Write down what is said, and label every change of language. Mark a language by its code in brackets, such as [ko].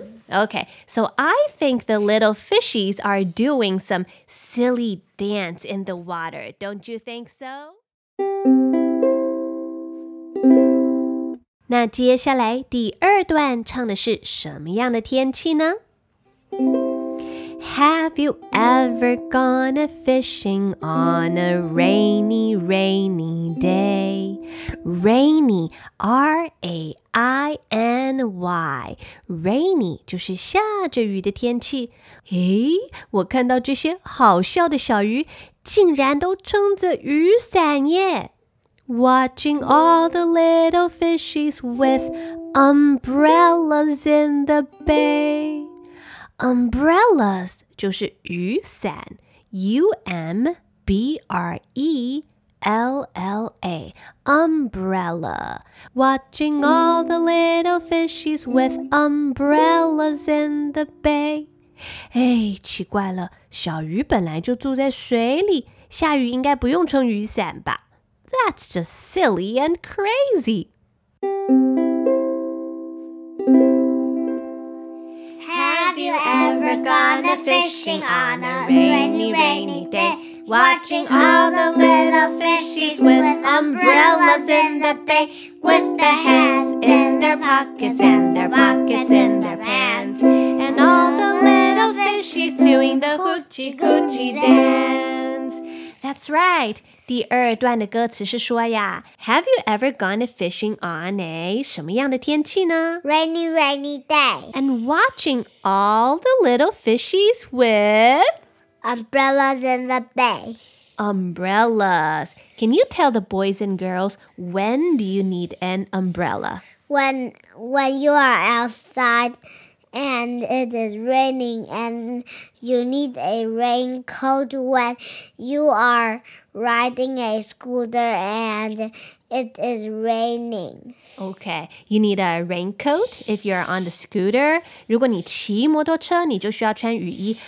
[en] Okay, so I think the little fishies are doing some silly dance in the water. Don't you think so? [zh] 那接下来第二段唱的是什么样的天气呢？ [en] Have you ever gone a fishing on a rainy, rainy day? Rainy, R-A-I-N-Y. [zh] Rainy 就是下着雨的天气。诶，我看到这些好笑的小鱼竟然都撑着雨伞耶。 [en] Watching all the little fishies with umbrellas in the bay. [zh] Umbrellas 就是雨伞 [en] U-M-B-R-E-L-L-A Umbrella Watching all the little fishies with umbrellas in the bay [zh] 哎，奇怪了，小鱼本来就住在水里，下雨应该不用撑雨伞吧？ [en] That's just silly and crazy! Ever gone fishing on a rainy, rainy day? Watching all the little fishies with umbrellas in the bay, with their hands in their pockets and their pockets in their pants, and all the little fishies doing the hoochie coochie dance. That's right. [zh] 第二段的歌词是说呀 ， [en] Have you ever gone fishing on a [zh] 什么样的天气呢 [en] ？Rainy, rainy day. And watching all the little fishies with umbrellas in the bay. Umbrellas. Can you tell the boys and girls when do you need an umbrella? When you are outside. And it is raining, and you need a raincoat when you are riding a scooter and it is raining. Okay, you need a raincoat if you're on the scooter. [zh] 如果你骑摩托车，你就需要穿雨衣。